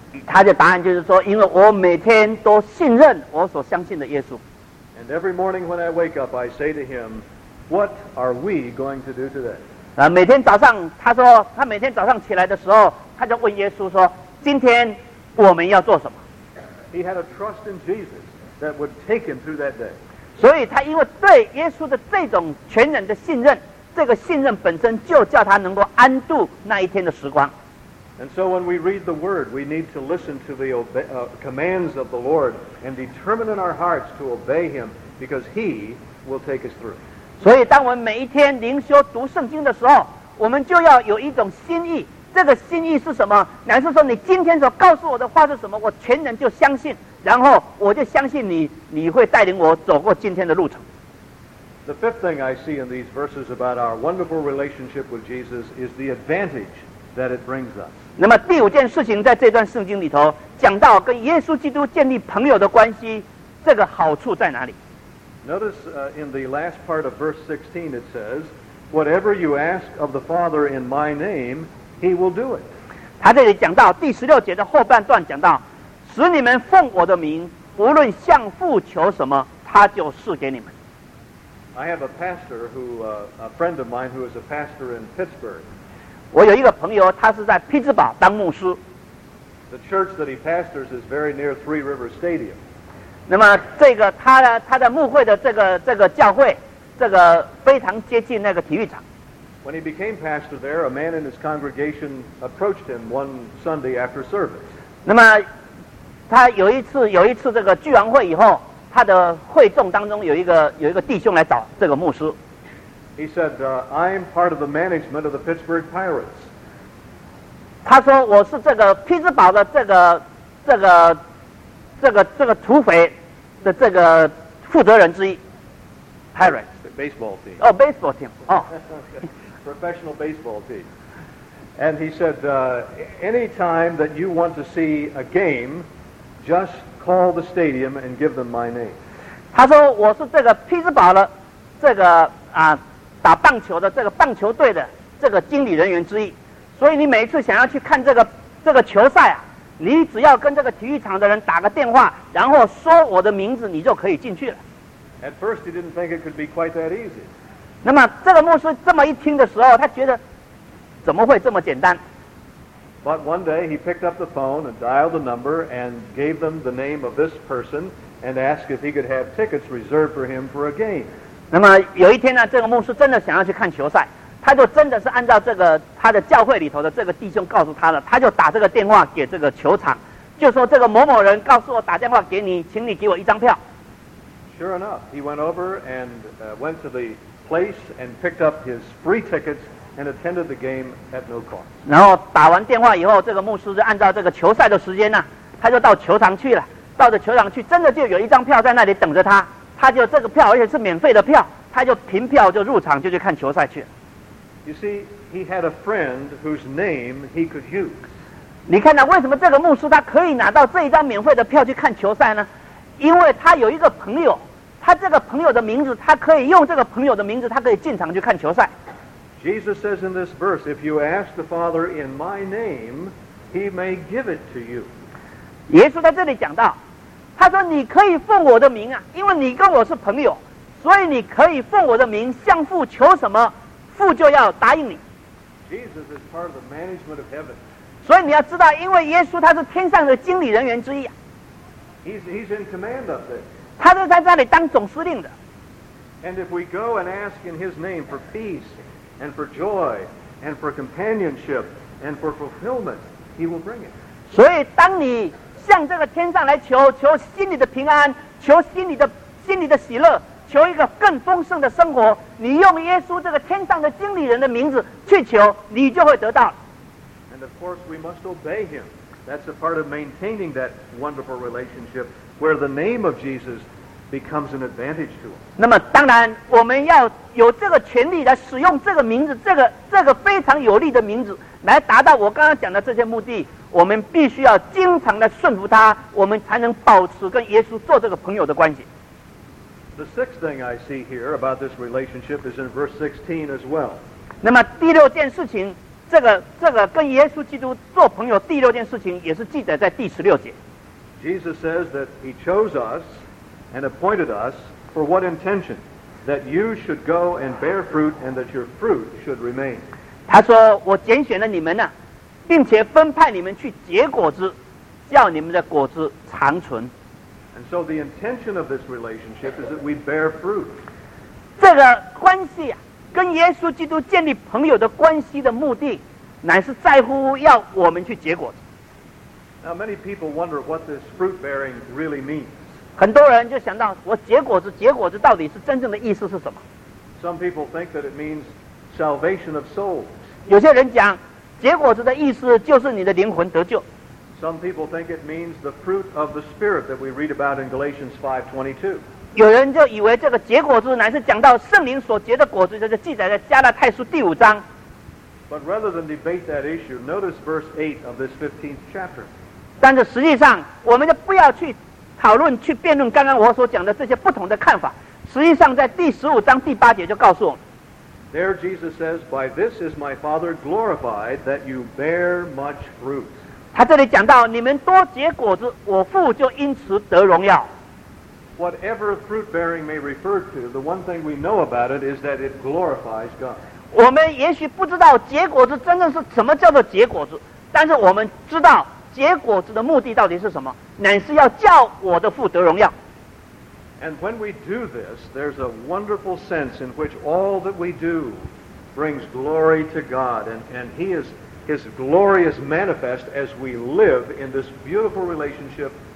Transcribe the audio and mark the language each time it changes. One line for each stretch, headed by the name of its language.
Chinese: 他的答案就是说，因为我每天都信任我所相信的耶稣。
English: And every morning when I wake up, I say to him, what are we going to do today?
Chinese: 每天早上，他说，他每天早上起来的时候，他就问耶稣说，今天我们要做什么？
English: He had a trust in Jesus that would take him through that day.
Chinese: 所以他因为对耶稣的这种全然的信任，这个信任本身就叫他能够安度那一天的时光。
English: And so when we read the word, we need to listen to the commands of the Lord and determine in our hearts to obey him because he will take us through.
Chinese: 所以当我们每一天灵修读圣经的时候，我们就要有一种心意。这个心意是什么？乃是说你今天所告诉我的话是什么，我全然就相信，然后我就相信你，你会带领我走过今天的路程。
English: The fifth thing I see in these verses about our wonderful relationship with Jesus is the advantage that it brings us.
Chinese: 那么第五件事情在这段圣经里头讲到跟耶稣基督建立朋友的关系，这个好处在哪里？
English: Notice in the last part of verse 16 it says, whatever you ask of the Father in my name,He will do it.
Chinese: 他这里讲到第十六节的后半段讲到，使你们奉我的名，无论向父求什么，他就赐给你们。
English: I have a pastor who, a friend of mine who is a pastor in Pittsburgh.
Chinese: 我有一个朋友，他是在匹兹堡当牧师。
English: The church that he pastors is very near Three River Stadium.
Chinese: 那么这个他的牧会的这个教会，这个非常接近那个体育场。
English: When he became pastor there, a man in his congregation approached him one Sunday after service.
Chinese: 那么他有一次这个聚完会以后，他的会众当中有一个弟兄来找这个牧师。
English: He said, I'm part of the management of the Pittsburgh Pirates.
Chinese: 他说我是这个匹兹堡的这个土匪的这个负责人之一。
English: Pirates. Baseball team. Oh, baseball team. Oh. professional baseball team. And he said, any time that you want to see a game, just call the stadium and give them my name.
Chinese: 他说我是这个匹兹堡的这个啊打棒球的这个棒球队的这个经理人员之一。所以你每一次想要去看这个球赛啊，你只要跟这个体育场的人打个电话，然后说我的名字，你就可以进去了。
English: At first he didn't think it could be quite that easy.
Chinese: 那么这个牧师这么一听的时候，他觉得怎么会这么简单？
English: But one day he picked up the phone and dialed the number and gave them the name of this person and asked if he could have tickets reserved for him for a game.
Chinese: 那么有一天呢，这个牧师真的想要去看球赛，他就真的是按照这个他的教会里头的这个弟兄告诉他了，他就打这个电话给这个球场，就说这个某某人告诉我打电话给你，请你给我一张票。
English: Sure enough, he went over and went to the place and picked up his free tickets and attended the game at no cost.
Chinese: 然后打完电话以后，这个牧师就按照这个球赛的时间呢，他就到球场去了。到了球场去，真的就有一张票在那里等着他。他就这个票，而且是免费的票，他就凭票就入场，就去看球赛去了。
English: You see, he had a friend whose name he could use.
Chinese: 你看呢？为什么这个牧师他可以拿到这一张免费的票去看球赛呢？因为他有一个朋友。他这个朋友的名字，他可以用这个朋友的名字，他可以进场去看球赛。
English: Jesus says in this verse, if you ask the Father in my name, he may give it to you.
Chinese: 耶稣在这里讲到，他说你可以奉我的名啊，因为你跟我是朋友，所以你可以奉我的名向父求什么，父就要答应你。
English: Jesus is part of the management of heaven.
Chinese: 所以你要知道，因为耶稣他是天上的经理人员之一啊。
English: He's in command of this.
Chinese: 他是在那里当总司令的。
English: And if we go and ask in his name for peace and for joy and for companionship and for fulfillment, he will bring it.
Chinese: 所以当你向这个天上来求，求心里的平安，求心里的喜乐，求一个更丰盛的生活，你用耶稣这个天上的经理人的名字去求，你就会得到。
English: And of course we must obey him. That's a part of maintaining that wonderful relationship. Where the name of Jesus becomes an advantage to us.
Chinese: 那么当然，我们要有这个权利来使用这个名字，这个非常有力的名字，来达到我刚刚讲的这些目的。我们必须要经常来顺服他，我们才能保持跟耶稣做这个朋友的关系。
English: The sixth thing I see here about this relationship is in verse 16 as well.
Chinese: 那么第六件事情这个跟耶稣基督做朋友第六件事情也是记载在第十六节。
English: Jesus says that he chose us and appointed us for what intention? That you should go and bear fruit and that your fruit should remain.
Chinese: 他说我拣选了你们啊，并且分派你们去结果子，叫你们的果子长存。
English: And so the intention of this relationship is that we bear fruit.
Chinese: 这个关系啊，跟耶稣基督建立朋友的关系的目的，乃是在乎要我们去结果子。
English: Now many people wonder what this fruit bearing really means.
Chinese: 很多人就想到我结果子到底是真正的意思是什么。
English: Some people think that it means salvation of souls.
Chinese: 有些人讲结果子的意思就是你的灵魂得救。
English: Some people think it means the fruit of the Spirit that we read about in Galatians 5:22.
Chinese: 有人就以为这个结果子乃是讲到圣灵所结的果子，就是记载在加拉太书第五章。
English: But rather than debate that issue, notice verse 8 of this 15th chapter.
Chinese: 但是实际上，我们就不要去讨论、去辩论刚刚我所讲的这些不同的看法。实际上，在第十五章第八节就告诉我们。
English: There Jesus says, "By this is my Father glorified, that you bear much fruit."
Chinese: 他这里讲到，你们多结果子，我父就因此得荣耀。
English: Whatever fruit bearing may refer to, the one thing we know about it is that it glorifies God.
Chinese: 我们也许不知道结果子真正是什么叫做结果子，但是我们知道结果子的目的到底是什么，乃是要叫我的父得荣耀。
English: And when we do this, there's a wonderful sense in which all that we do brings glory to God, and His glory is manifest as we live in this beautiful relationship.